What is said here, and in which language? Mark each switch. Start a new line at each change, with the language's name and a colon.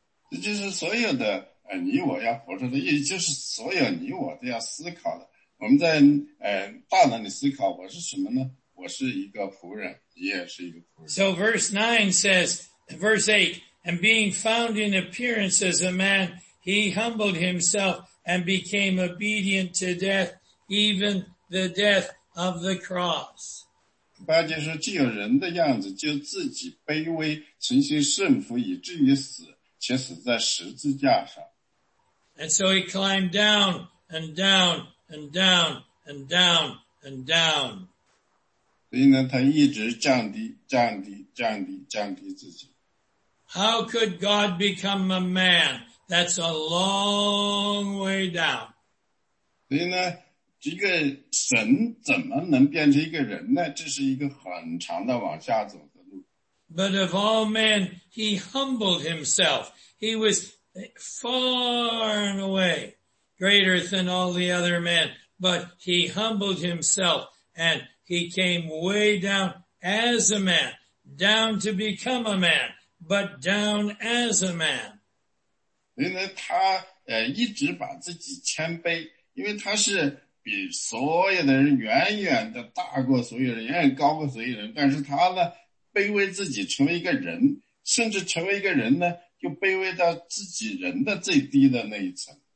Chinese: 这就是所有的你我要活着的意义，就是所有你我都要思考的。我们在大脑里思考，我是什么呢？我是一个仆人。
English: So verse 9 says, verse 8, and being found in appearance as a man, he humbled himself and became obedient to death, even the death of the cross.
Chinese: 八节说，既有人的样子，就自己卑微，存心顺服，以至于死，且死在十字架上。
English: And so he climbed down and down and down and down and down.
Chinese: 所以呢他一直降低降低降低降低自己。
English: How could God become a man? That's a long way down.
Chinese: 所以呢这个神怎么能变成一个人呢这是一个很长的往下走的路。
English: But of all men, he humbled himself. He was far and away greater than all the other men, but he humbled himself and he came way down as a man, down to become a man, but down as a man.
Chinese: 因为他一直把自己谦卑，因为他是比所有的人远远的大过所有人，远远高过所有人，但是他呢，卑微自己成为一个人，甚至成为一个人呢，就卑微到自己人的最低的那一层。